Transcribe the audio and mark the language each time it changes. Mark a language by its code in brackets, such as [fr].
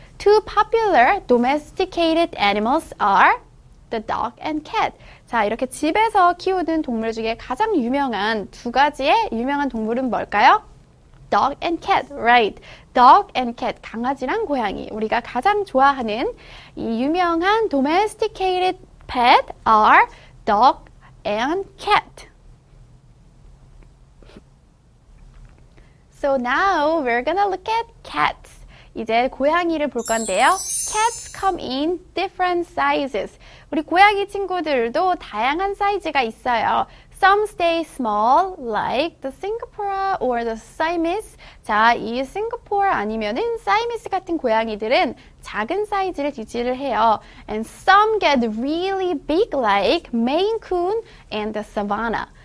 [en] Two popular domesticated animals are the dog and cat. [ko] 자, 이렇게 집에서 키우는 동물 중에 가장 유명한 두 가지의 유명한 동물은 뭘까요? [en] Dog and cat, right. Dog and cat, [ko] 강아지랑 고양이. 우리가 가장 좋아하는 이 유명한 [en] domesticated pet are dog and cat. So now we're gonna look at cats. [ko] 이제 고양이를 볼 건데요. [en] Cats come in different sizes. [ko] 우리 고양이 친구들도 다양한 사이즈가 있어요. [en] Some stay small, like the Singapore or the Siamese. [ko] 자, 이 Singapore 아니면은 Siamese 같은 고양이들은 작은 사이즈를 유지를 해요. [en] And some get really big, like Maine Coon and the Savannah.